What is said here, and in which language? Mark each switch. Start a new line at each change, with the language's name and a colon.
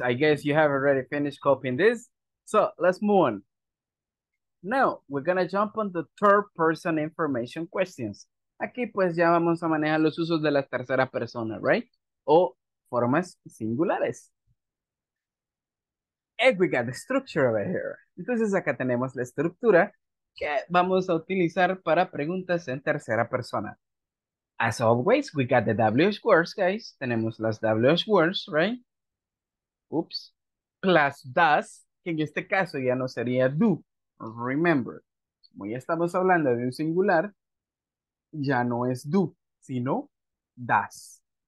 English: I guess you have already finished copying this. So let's move on. Now, we're going to jump on the third person information questions.
Spanish: Aquí pues ya vamos a manejar los usos de la tercera persona, right? O formas singulares.
English: And we got the structure over here.
Spanish: Entonces acá tenemos la estructura que vamos a utilizar para preguntas en tercera persona.
English: As always, we got the WH words, guys.
Spanish: Tenemos las WH words, right? Oops. Plus does, que en este caso ya no sería do. Remember, como ya estamos hablando de un singular, ya no es do, sino does.